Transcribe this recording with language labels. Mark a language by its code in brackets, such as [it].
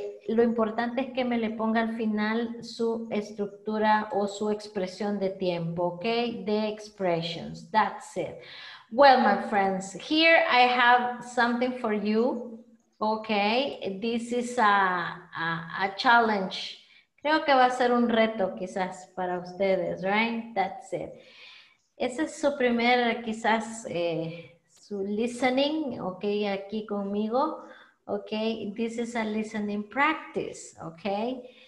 [es] Lo importante es que me le ponga al final su estructura o su expresión de tiempo, okay? [en] The expressions, that's it. Well, my friends, here I have something for you, okay? This is a challenge. [es] Creo que va a ser un reto quizás para ustedes, right? [en] That's it. [es] Ese es su primer, quizás, su listening, okay, aquí conmigo. [en] Okay, this is a listening practice, okay?